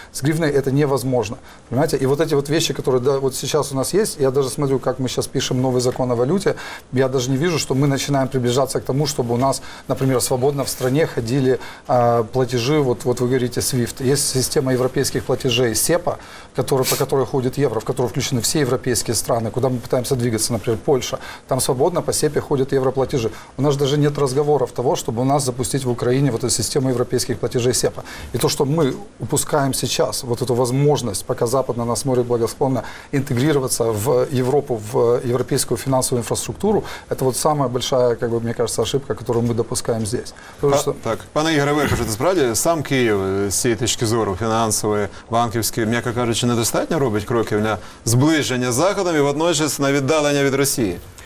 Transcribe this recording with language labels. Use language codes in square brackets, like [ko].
[ru] С гривной это невозможно. Понимаете? И вот эти вот вещи, которые вот сейчас у нас есть, я даже смотрю, как мы сейчас пишем новый закон о валюте, я даже не вижу, что мы начинаем приближаться к тому, чтобы у нас, например, свободно в стране ходили платежи, вот вы говорите, SWIFT. Есть система европейских платежей SEPA, по которой ходит евро, в которую включены все европейские страны, куда мы пытаемся двигаться, например, Польша. Там свободно по SEPA ходят европлатежи. У нас даже нет разговоров того, чтобы у нас запустить в Украине вот эту систему европейских платежей SEPA. И то, что мы упускаем сейчас вот эту возможность, пока Запад на нас смотрит благосклонно, интегрироваться в Европу, в европейскую финансовую инфраструктуру, это вот самая большая, как бы, мне кажется, ошибка, которую мы допускаем здесь. [uk] Так, пане Ігоре, ви кажете, справді сам Київ з цієї точки зору фінансової, банківської, м'яко кажучи, недостатньо робить кроків для зближення з Заходом і водночас на віддалення від Росії?